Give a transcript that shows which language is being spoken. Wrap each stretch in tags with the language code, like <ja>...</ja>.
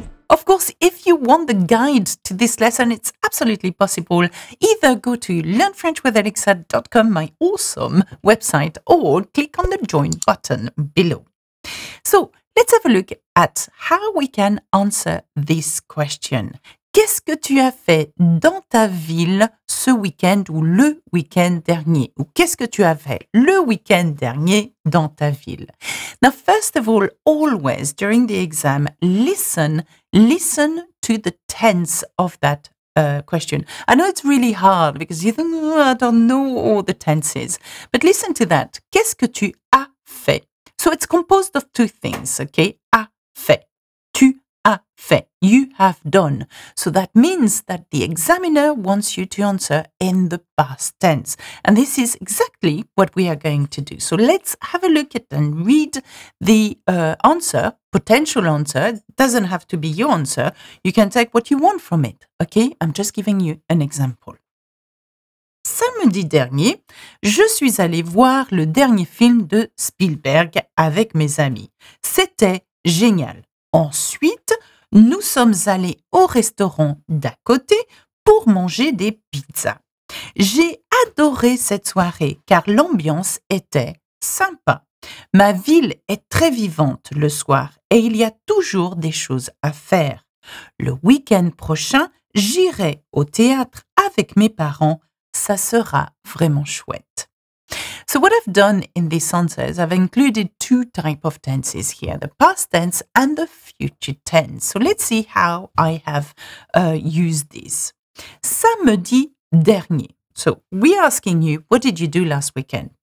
<en>Of course, if you want the guide to this lesson, it's absolutely possible. Either go to learnfrenchwithalexa.com, my awesome website, or click on the join button below. So let's have a look at how we can answer this question.</en> <fr>Qu'est-ce que tu as fait dans ta ville ce week-end ou le week-end dernier? Ou qu'est-ce que tu as fait le week-end dernier dans ta ville?</fr> <en>Now, first of all, always during the exam, listen to the tense of that question. I know it's really hard because you think, oh, I don't know all the tenses, but listen to that.</en> <fr>Qu'est-ce que tu as fait?</fr> <en>So it's composed of two things, okay?</en> <fr>A fait. Tu as fait.</fr> <en>You have done. So that means that the examiner wants you to answer in the past tense. And this is exactly what we are going to do. So let's have a look at and read the answer, potential answer. It doesn't have to be your answer. You can take what you want from it, okay? I'm just giving you an example.</en> <fr>Samedi dernier, je suis allée voir le dernier film de Spielberg avec mes amis. C'était génial. Ensuite, nous sommes allés au restaurant d'à côté pour manger des pizzas. J'ai adoré cette soirée car l'ambiance était sympa. Ma ville est très vivante le soir et il y a toujours des choses à faire. Le week-end prochain, j'irai au théâtre avec mes parents. Ça sera vraiment chouette.</fr> <en>So what I've done in this answer is I've included two type of tenses here, the past tense and the future tense. So let's see how I have used this.</en> <fr>Samedi dernier.</fr> <en>So we're asking you, what did you do last weekend?</en>